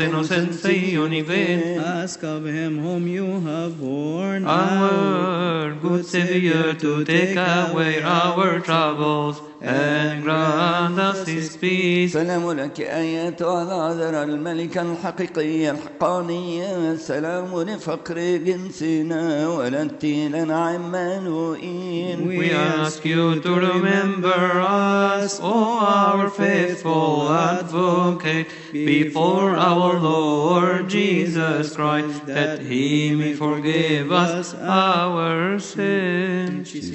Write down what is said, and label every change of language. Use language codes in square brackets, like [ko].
[en] Ask of him whom you have borne, our good Savior, to take away our troubles and grant us his peace. [ar] سلام لك أيتها العذراء الملكة الحقيقية الحقانية, سلام لفقر جنسنا والتي لنا عمانوئين. [en] We ask you to remember us, O our faithful advocate, before our Lord Jesus Christ, that he may forgive us our sins.